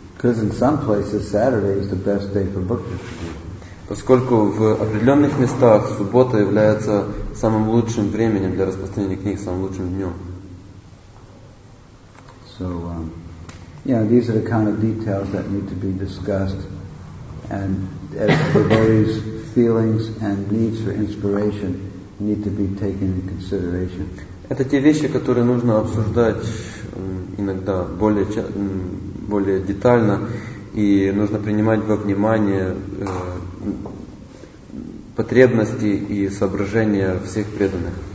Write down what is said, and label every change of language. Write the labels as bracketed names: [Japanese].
[English] Because in some places Saturday is the best day for book distribution. [Russian] Поскольку в определенных местах суббота является самым лучшим временем для распространения книг, самым лучшим днем. [English] So, you know, these are the kind of details that need to be discussed, and as devotees' feelings and needs for inspiration need to be taken into consideration. [Russian] Это те вещи, которые нужно обсуждать иногда более детально, и нужно принимать во внимание потребности и соображения всех преданных.